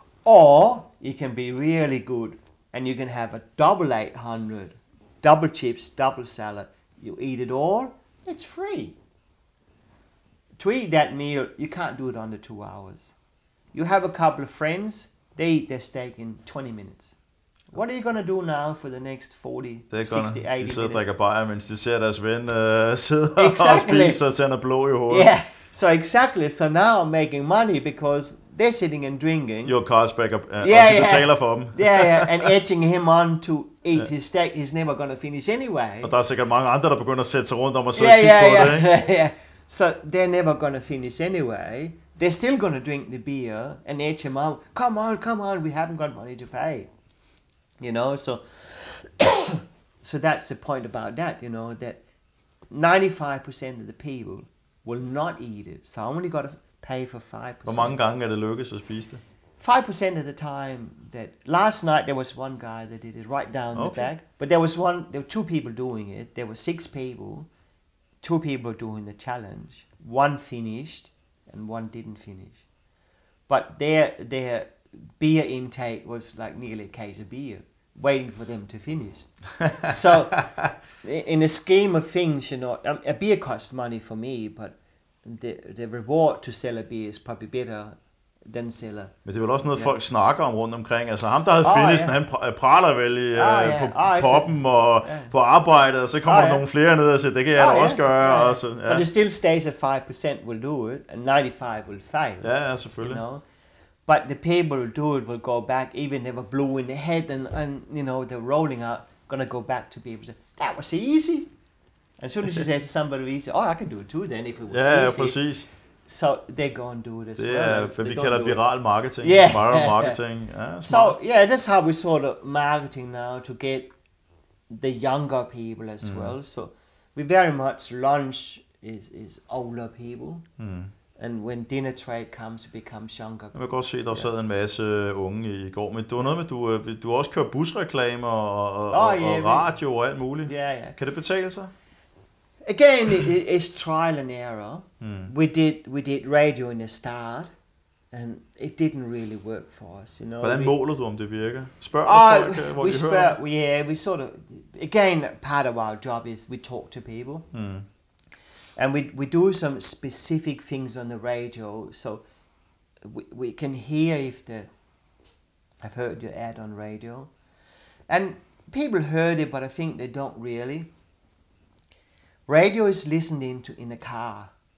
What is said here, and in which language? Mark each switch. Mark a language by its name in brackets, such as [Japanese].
[English] Or you can be really good, and you can have a double 800, double chips, double salad. You eat it all, it's free. To eat that meal, you can't do it under 2 hours. You have a couple of friends, they eat their steak in 20 minutes. What are you going to do now for the next 40, 60, 80 minutes? [Danish] De sidder og drikker bajer, mens de ser deres ven sidder og spiser og tænder blå i hovedet. [English] Yeah. So exactly, so now I'm making money because they're sitting and drinking. Your car's back up, [Danish] og de betaler for dem. [English] Yeah, yeah, and edging him on to eat his steak, he's never going to finish anyway. [Danish] Og der er sikkert mange andre, der begynder at sætte sig rundt om og sidde og kigge på det, ikke? [English] So they're never going to finish anyway. They're still going to drink the beer and edge him on. Come on, come on, we haven't got money to pay. You know, so so that's the point about that, you know, that 95% of the people will not eat it. So I only got to pay for 5%. [Danish] Hvor mange gange er det lykkedes at spise det? [English] 5% of the time. That last night there was one guy that did it right down the back. But there was one, there were two people doing it. There were six people, two people doing the challenge. One finished and one didn't finish. But their beer intake was like nearly a case of beer, waiting for them to finish. So in the scheme of things, you know, a beer costs money for me, but the reward to sell a beer is probably better than sell a... [Danish] Men det er vel også noget, folk snakker om rundt omkring. Altså ham, der havde finished, han praler vel i poppen og på arbejdet, og så kommer der nogle flere ned og siger, det kan jeg da også gøre. Og så, [English] But it still stays at 5% will do it, and 95% will fail. [Danish] Ja, ja, selvfølgelig. [English] You know? But the people who do it will go back, even they were blue in the head and you know, they're rolling out, gonna go back to be able to say, that was easy. And as soon as you say to somebody easy, oh, I can do it too then if it was yeah, easy. [Danish] Ja, præcis. [English] So they go and do it as yeah, well. [Danish] Ja, for vi kalder viral marketing. Yeah. Viral marketing. Yeah, [English] so yeah, that's how we sort of marketing now to get the younger people as well. So we very much launch is older people. And when dinner tray comes, it becomes younger. [Danish] Jeg kan godt se, at der sad en masse unge i går, men det var noget med, du også kører busreklamer og radio og alt muligt. [English] Yeah, yeah. [Danish] Kan det betale sig? [English] Again, it's trial and error. We did radio in the start, and it didn't really work for us. You know. [Danish] Hvordan måler du, om det virker? Spørger du folk, hvor de hører os? [English] We sort of, again, part of our job is we talk to people. And we do some specific things on the radio, so we can hear if they have heard your ad on radio. And people heard it, but I think they don't really. Radio is listened into in a car.